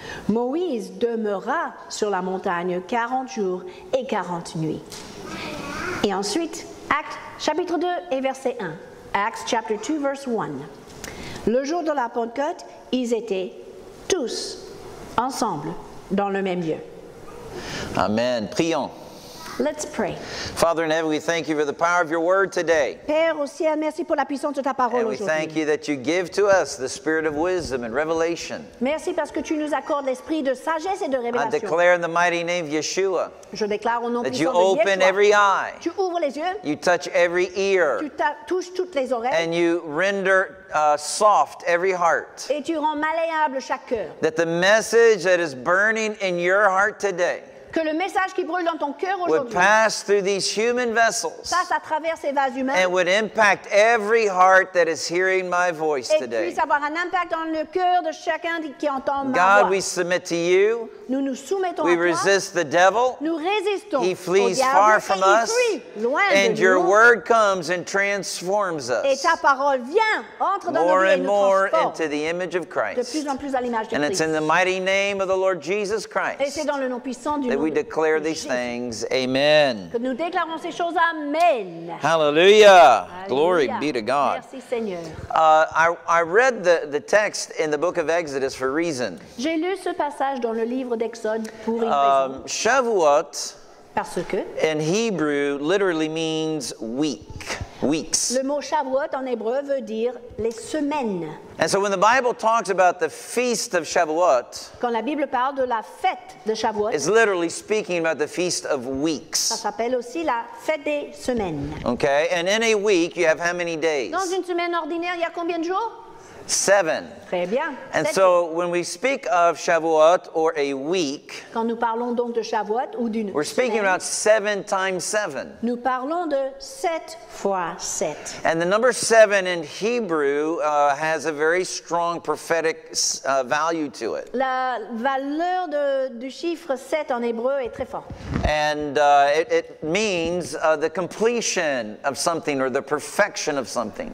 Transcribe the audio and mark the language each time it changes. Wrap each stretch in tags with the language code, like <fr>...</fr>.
<fr>Moïse demeura sur la montagne 40 jours et 40 nuits. Et ensuite, Actes chapitre 2 et verset 1.</fr> <en>Acts chapter 2 verse 1.</en> <fr>Le jour de la Pentecôte, ils étaient tous ensemble dans le même lieu. Amen. Prions.</fr> <en>Let's pray. Father in heaven, we thank you for the power of your word today.</en> <fr>Père au ciel, merci pour la puissance de ta parole aujourd'hui.</fr> <en>And we thank you that you give to us the spirit of wisdom and revelation.</en> <fr>Merci parce que tu nous accordes l'esprit de sagesse et de révélation.</fr> <en>I declare in the mighty name of Yeshua.</en> <fr>Je déclare au nom puissant de Yeshua.</fr> <en>That you open every eye.</en> <fr>Tu ouvres les yeux.</fr> <en>You touch every ear.</en> <fr>Tu touches toutes les oreilles.</fr> <en>And you render soft every heart.</en> <fr>Et tu rends malléable chaque cœur.</fr> <en>That the message that is burning in your heart today.</en> <fr>Que le message qui brûle dans ton cœur aujourd'hui</fr> <en>pass through these human vessels</en> <fr>passe à travers ces vases humains</fr> <en>and would impact every heart that is hearing my voice today.</en> <fr>Et puisse avoir un impact dans le cœur de chacun qui entend ma voix.</fr> <en>God, we submit to you.</en> <fr>Nous nous soumettons</fr> <en>we</en> <fr>à toi.</fr> <en>We resist the devil.</en> <fr>Nous résistons.</fr> <en>He flees far from us.</en> <fr>Et il fuit loin de nous.</fr> <en>And your word comes and transforms us.</en> <fr>Et ta parole vient, entre dans nos vies et nous transforme.</fr> <en>More and more into the image of Christ.</en> <fr>De plus en plus à l'image de Christ.</fr> <en>And it's in the mighty name of the Lord Jesus Christ.</en> <fr>Et c'est dans le nom puissant du</fr> <en>that we declare these things. Amen.</en> <fr>Que nous déclarons ces choses. Amen.</fr> <en>Hallelujah. Hallelujah. Glory be to God.</en> <fr>Merci, Seigneur.</fr> <en>I read the text in the book of Exodus for a reason.</en> <fr>J'ai lu ce passage dans le livre d'Exode pour une raison.</fr> <he>Shavuot</he> <fr>parce que</fr> <en>in Hebrew literally means week, weeks.</en> <fr>Le mot Shavuot en hébreu veut dire les semaines.</fr> <en>And so when the Bible talks about the feast of Shavuot,</en> <fr>quand la Bible parle de la fête de Shavuot,</fr> <en>it's literally speaking about the feast of weeks.</en> <fr>Ça s'appelle aussi la fête des semaines.</fr> <en>Okay, and in a week you have how many days?</en> <fr>Dans une semaine ordinaire, il y a combien de jours?</fr> <en>Seven.</en> <fr>Très bien.</fr> <en>And so when we speak of Shavuot or a week,</en> <fr>quand nous parlons donc de Shavuot ou d'une</fr> <en>we're speaking</en> <fr>semaine,</fr> <en>about seven times seven.</en> <fr>Nous parlons de sept fois sept.</fr> <en>And the number seven in Hebrew has a very strong prophetic value to it.</en> <fr>La valeur du chiffre sept en hébreu est très forte.</fr> <en>And it means the completion of something or the perfection of something.</en>